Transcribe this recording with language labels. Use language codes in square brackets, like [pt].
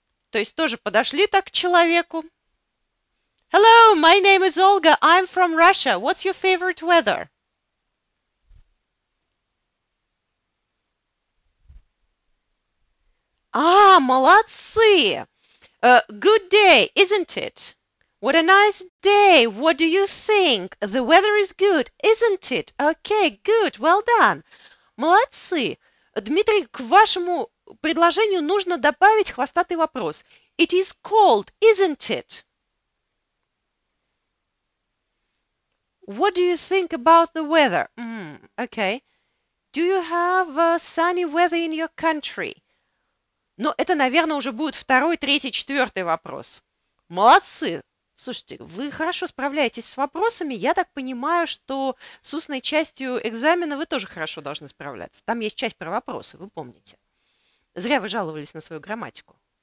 [ru] То есть тоже подошли так к человеку. [en] Hello, my name is Olga, I'm from Russia. What's your favorite weather? [ru] А, молодцы! [en] Good day, isn't it? What a nice day! What do you think? The weather is good, isn't it? Okay, good, well done. [ru] Молодцы! Дмитрий, к вашему предложению нужно добавить хвостатый вопрос. [en] It is cold, isn't it? What do you think about the weather? Okay. Do you have sunny weather in your country? [ru] Но это, наверное, уже будет второй, третий, четвертый вопрос. Молодцы! Слушайте, вы хорошо справляетесь с вопросами. Я так понимаю, что с устной частью экзамена вы тоже хорошо должны справляться. Там есть часть про вопросы, вы помните. Зря вы жаловались на свою грамматику.